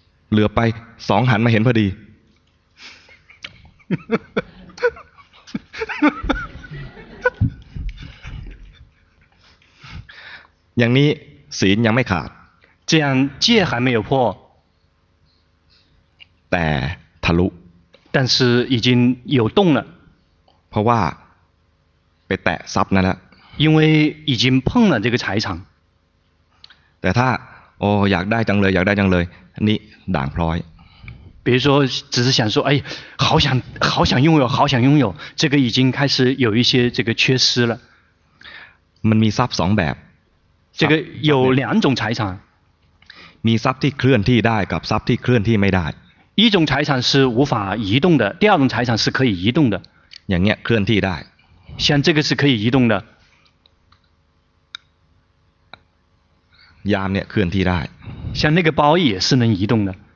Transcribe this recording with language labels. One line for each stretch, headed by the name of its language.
Thai: เหลือไปสองหันมาเห็นพอดีอย่างนี้ศีลยังไม่ขาด
Chinese: 这样戒还没有破
Thai: แต่ทะลุ
Chinese: 但是已经有动了
Thai: เพราะว่าไปแตะทรัพย์นั่นแหละ
Chinese: 因为已经碰了这个财产
Thai: แต่ถ้าโอ้อยากได้จังเลยอยากได้จังเลยอันนี้ด่างพร้อย
Chinese: 比如说只是想说哎好想好想拥有好想拥有这个已经开始有一些这个缺失了
Thai: มันมีทรัพย์สองแบบ
Chinese: 这个有两种财产
Thai: มีทรัพย์ที่เคลื่อนที่ได้กับทรัพย์ที่เคลื่อนที่ไม่ได้
Chinese: 一种财产是无法移动的第二种财产是可以移动的
Thai: อย่างเงี้ยเคลื่อนที่ได้
Chinese: 像这个是可以移动的
Thai: ยามเนี่ยเคลื่อนที่ได้
Chinese: 像那个包也是能移动的